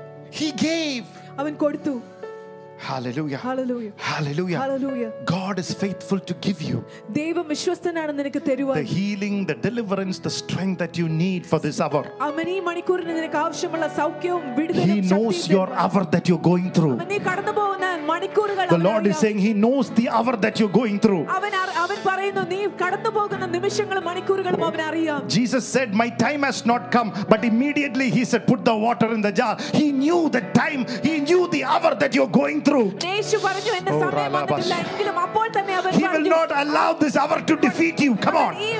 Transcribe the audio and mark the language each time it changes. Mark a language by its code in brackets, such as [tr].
[en] He gave. [ml] Avan koduthu. [en] Hallelujah. Hallelujah. Hallelujah. Hallelujah. God is faithful to give you. [ml] ദൈവം വിശ്വസ്തനാണ് നിനക്ക് തരുവാൻ. [en] The healing, the deliverance, the strength that you need for this hour. [ml] അമനി മണിക്കൂറിന് നിനക്ക് ആവശ്യമുള്ള സൗഖ്യവും വിടുതലും. [en] He knows your hour that you're going through. [ml] അമനി കടന്നുപോകുന്ന മണിക്കൂറുകൾ. [en] The Lord is saying he knows the hour that you're going through. [ml] അവൻ പറയുന്നു നീ കടന്നുപോകുന്ന നിമിഷങ്ങളും മണിക്കൂറുകളും അവൻ അറിയാം. [en] Jesus said my time has not come, but immediately he said put the water in the jar. He knew the time, he knew the hour that you're going through. He will not allow this hour to defeat you. Come on.